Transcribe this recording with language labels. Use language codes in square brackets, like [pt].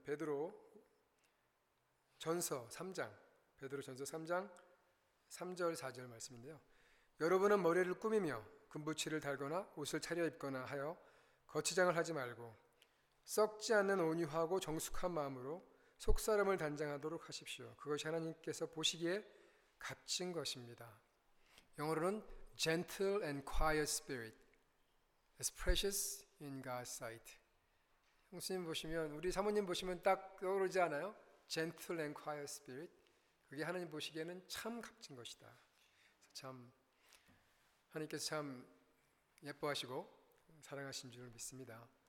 [ko] 베드로 전서 3장, 베드로 전서 3장 3절 4절 말씀인데요. 여러분은 머리를 꾸미며 금붙이를 달거나 옷을 차려 입거나 하여 겉치장을 하지 말고 썩지 않는 온유하고 정숙한 마음으로 속사람을 단장하도록 하십시오. 그것이 하나님께서 보시기에 값진 것입니다. 영어로는 [en] gentle and quiet spirit is precious in God's sight. [ko] 형수님 보시면, 우리 사모님 보시면 딱 떠오르지 않아요? [en] Gentle and quiet spirit. [ko] 그게 하나님 보시기에는 참 값진 것이다. 참 하나님께서 참 예뻐하시고 사랑하신 줄 믿습니다.